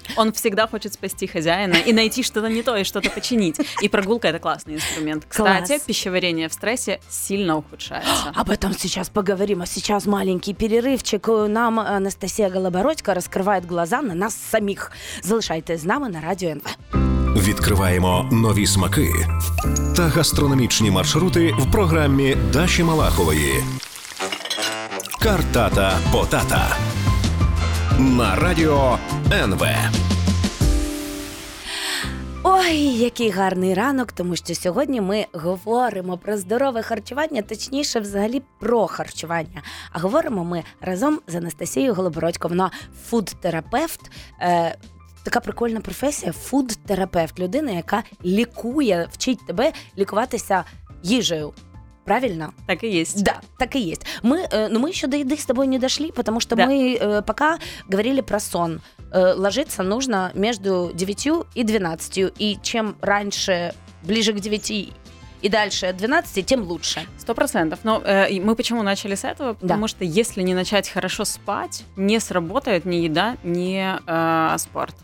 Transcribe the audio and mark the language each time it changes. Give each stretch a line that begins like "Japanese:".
Russian: Он всегда хочет спасти хозяина и найти что-то не то, и что-то починить. И прогулка — это классный инструмент. Кстати, класс. Пищеварение в стрессе сильно ухудшается. Об этом сейчас поговорим. А сейчас маленький перерывчик. Нам Анастасия Голобородько раскрывает глаза на нас самих.
Ukrainian: Залишайтесь з нами на Радіо НВ. Відкриваємо нові смаки та гастрономічні маршрути в програмі Даші Малахової. Картата-потата на радіо НВ. Ой, який гарний ранок, тому що сьогодні ми говоримо про здорове харчування, точніше, взагалі, про харчування. А говоримо ми разом з Анастасією Голобородько. Вона фуд-терапевт. Така прикольна професія – фуд-терапевт. Людина, яка лікує, вчить тебе лікуватися їжею. Правильно?
Russian: Так и есть. Да, так и есть. Мы еще до еды с тобой не дошли, потому что мы пока говорили про сон. Ложиться нужно между 9 и 12. И чем раньше, ближе к 9 и дальше 12, тем лучше. 100%. Но мы почему начали с этого? Потому что если не начать хорошо спать, не сработает ни еда, ни спорт.